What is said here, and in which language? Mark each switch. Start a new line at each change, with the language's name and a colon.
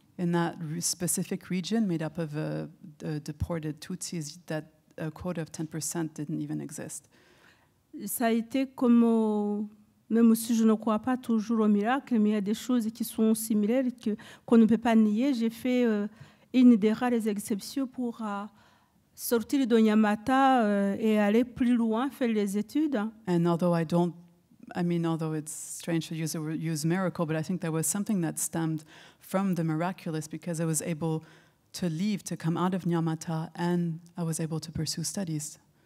English: In that specific region made up of deported Tutsis, that a quota of 10% didn't even exist.
French: Ça a été comme, même si je ne crois pas toujours au miracle, mais il y a des choses qui sont similaires qu'on ne peut pas nier. J'ai fait une des rares exceptions pour sortir de Nyamata et aller plus loin, faire les études.
English: And although I don't, I mean, although it's strange to use miracle, but I think there was something that stemmed from the miraculous because I was able to leave, to come out of Nyamata, and I was able to pursue studies.